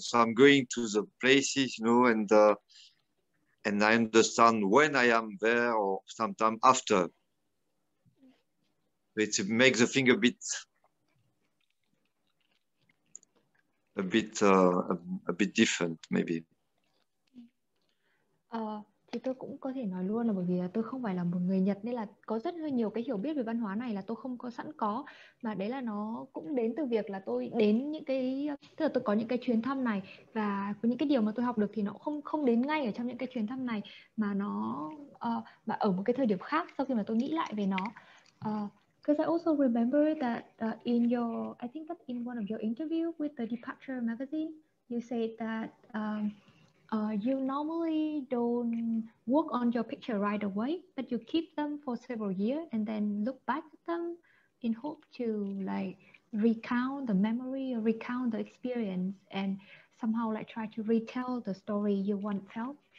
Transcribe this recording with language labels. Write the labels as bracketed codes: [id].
[en] So I'm going to the places, you know, and I understand when I am there or sometime after. It makes the thing a bit different, maybe. [vi] Thì tôi cũng có thể nói luôn là bởi vì là tôi không phải là một người Nhật nên là có rất hơi nhiều cái hiểu biết về văn hóa này là tôi không có sẵn có, mà đấy là nó cũng đến từ việc là tôi đến những cái, tức là tôi có những cái chuyến thăm này và những cái điều mà tôi học được thì nó không đến ngay ở trong những cái chuyến thăm này mà nó mà ở một cái thời điểm khác sau khi mà tôi nghĩ lại về nó. [en] Because I also remember that in your, I think that in one of your interview with the Departure magazine, you said that you normally don't work on your picture right away, but you keep them for several years and then look back at them in hope to like recount the memory or recount the experience and somehow like try to retell the story you want to tell.